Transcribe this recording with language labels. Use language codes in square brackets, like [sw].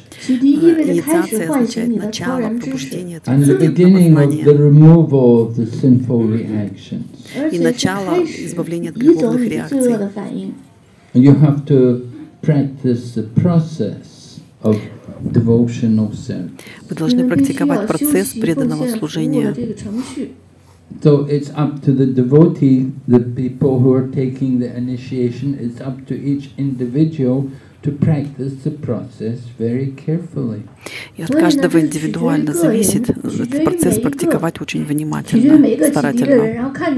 [ru] Инициация означает начало пробуждения от [en] And the beginning of the removal of the sinful reactions. [ru] И начало избавления от греховных реакций. [en] You have to practice the process of devotional service. [ru] Вы должны практиковать процесс преданного служения. [en] So it's up to the devotee, the people who are taking the initiation, it's up to each individual to practice the process very carefully. [ru] И от каждого индивидуально зависит этот процесс практиковать очень внимательно, старательно.